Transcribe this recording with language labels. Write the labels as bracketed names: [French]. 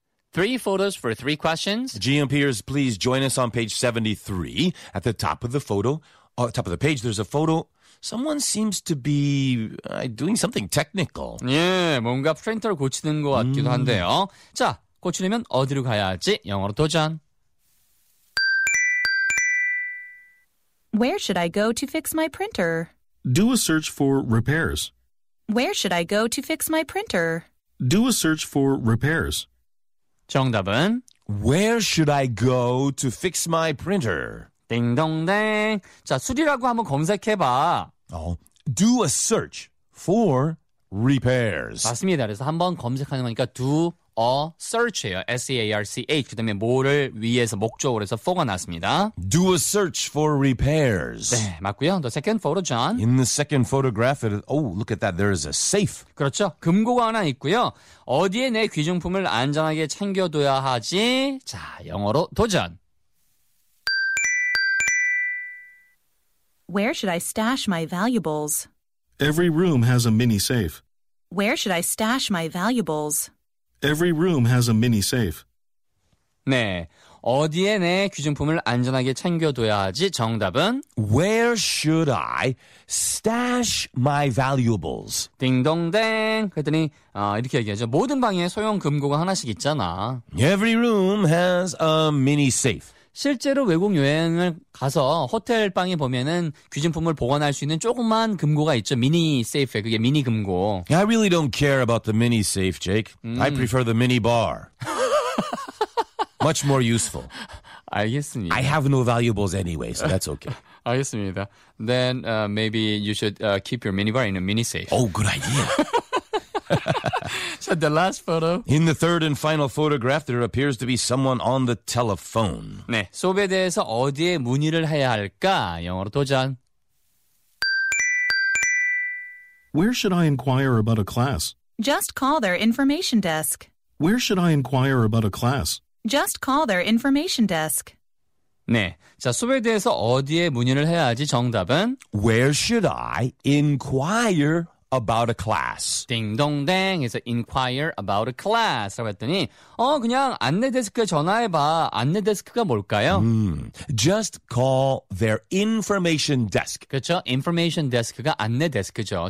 [English] Three photos for three questions. GMPers, please join us on page 73. At the top of the photo, top of the page, there's a photo. Someone seems to be doing something technical. [Korean] 예, 뭔가 프린터를 고치는 것 같기도 한데요. 자, 고치려면 어디로 가야 할지 영어로 도전. [English] Where should I go to fix my printer? Do a search for repairs. Where should I go to fix my printer? Do a search for repairs. [Korean] 정답은 [English] Where should I go to fix my printer? [Korean] 띵동댕. 자, 수리라고 한번 검색해봐. [English] Do a search for repairs. [Korean] 맞습니다. 그래서 한번 검색하는 거니까 [English] do a search [Korean] 예요. S-A-R-C-H. 그 다음에 뭐를 위해서 목적으로 해서 for가 나왔습니다. [English] Do a search for repairs. [Korean] 네, 맞고요. [English] The second photo, John. In the second photograph, look at that. There is a safe. [Korean] 그렇죠. 금고가 하나 있고요. 어디에 내 귀중품을 안전하게 챙겨둬야 하지? 자, 영어로 도전. [English] Where should I stash my valuables? Every room has a mini safe. Where should I stash my valuables? Every room has a mini safe. [Korean] 네, 어디에 내 귀중품을 안전하게 챙겨둬야 하지? 정답은 [English] Where should I stash my valuables? [Korean] 딩동댕. 그랬더니 이렇게 얘기하죠. 모든 방에 소형 금고가 하나씩 있잖아. [English] Every room has a mini safe. [Korean] 실제로 외국 여행을 가서 호텔 방에 보면은 귀중품을 보관할 수 있는 조그만 금고가 있죠. 미니 세이프에. 그게 미니 금고. [English] I really don't care about the mini safe, Jake. I prefer the mini bar. Much more useful. [Korean] 알겠습니다. [English] I have no valuables anyway, so that's okay. [Korean] 알겠습니다. [English] Then maybe you should keep your mini bar in a mini safe. Oh, good idea. So the last photo. In the third and final photograph, there appears to be someone on the telephone. [Korean] 네, 수업에 대해서 어디에 문의를 해야 할까? 영어로 도전. [English] Where should I inquire about a class? Just call their information desk. Where should I inquire about a class? Just call their information desk. [Korean] 네, 자 수업에 대해서 어디에 문의를 해야 하지? 정답은 [English] Where should I inquire about a class? [Korean] 딩동댕. [English] It's inquire about a class. [Korean] 라고 했더니 그냥 안내 데스크에 전화해봐. 안내 데스크가 뭘까요? [English] Just call their information desk. [Korean] 그렇죠? Information desk가 안내 데스크죠.